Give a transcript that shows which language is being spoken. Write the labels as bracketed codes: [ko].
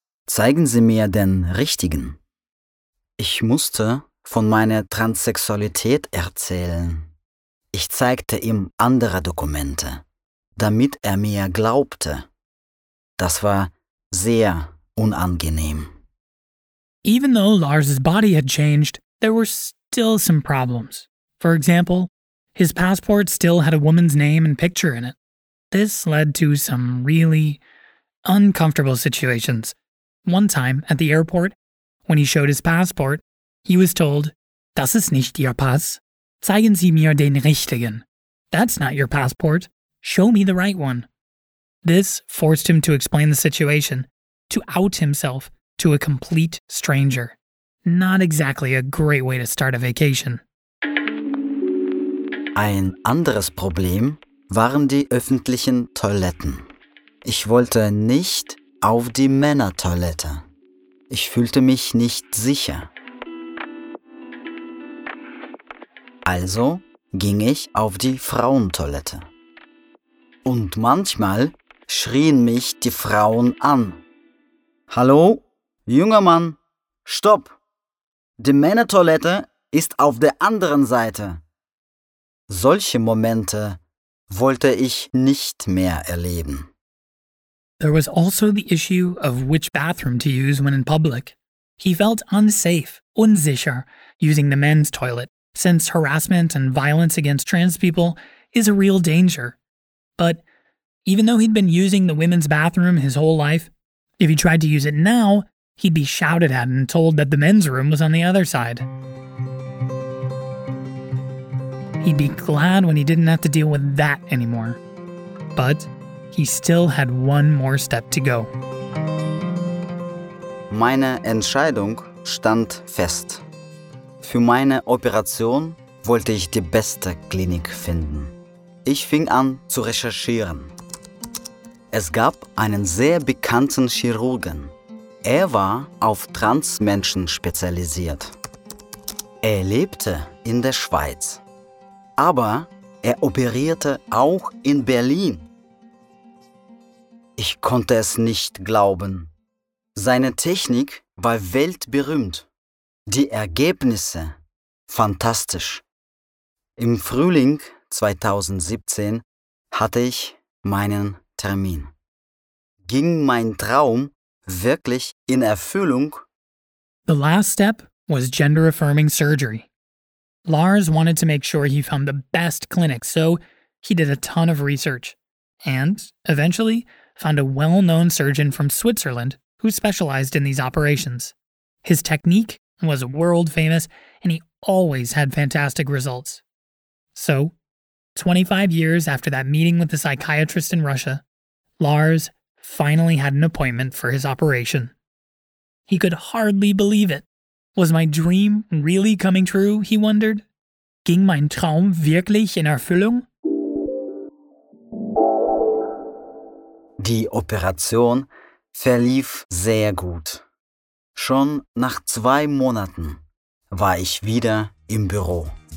[de] Zeigen Sie mir den richtigen. Ich musste von meiner Transsexualität erzählen. Ich zeigte ihm andere Dokumente, damit er mir glaubte. Das war sehr unangenehm. [en] Even though Lars's body had changed, there were still some problems. For example, his passport still had a woman's name and picture in it. This led to some really uncomfortable situations. One time at the airport, when he showed his passport, he was told, [de] "Das ist nicht Ihr Pass. Zeigen Sie mir den richtigen." [en] That's not your passport. Show me the right one. This forced him to explain the situation, to out himself to a complete stranger. Not exactly a great way to start a vacation. [de] Ein anderes Problem waren die öffentlichen Toiletten. Ich wollte nicht auf die Männertoilette. Ich fühlte mich nicht sicher. Also ging ich auf die Frauentoilette. Und manchmal schrien mich die Frauen an. Hallo, junger Mann, stopp! Die Männertoilette ist auf der anderen Seite. Solche Momente wollte ich nicht mehr erleben. [en] There was also the issue of which bathroom to use when in public. He felt unsafe, unsicher, using the men's toilet, since harassment and violence against trans people is a real danger. But even though he'd been using the women's bathroom his whole life, if he tried to use it now, he'd be shouted at and told that the men's room was on the other side. He'd be glad when he didn't have to deal with that anymore. But he still had one more step to go. [de] Meine Entscheidung stand fest. Für meine Operation wollte ich die beste Klinik finden. Ich fing an zu recherchieren. Es gab einen sehr bekannten Chirurgen. Er war auf Transmenschen spezialisiert. Er lebte in der Schweiz. Aber er operierte auch in Berlin. Ich konnte es nicht glauben. Seine Technik war weltberühmt. Die Ergebnisse fantastisch. Im Frühling 2017 hatte ich meinen Termin. Ging mein Traum wirklich in Erfüllung? [en] The last step was gender-affirming surgery. Lars wanted to make sure he found the best clinic, so he did a ton of research and eventually found a well-known surgeon from Switzerland who specialized in these operations. His technique was world famous and he always had fantastic results. So, 25 years after that meeting with the psychiatrist in Russia, Lars finally had an appointment for his operation. He could hardly believe it. Was my dream really coming true, he wondered? [de] Ging mein Traum wirklich in Erfüllung? Die Operation verlief sehr gut. Schon nach 2 Monaten war ich wieder im Büro.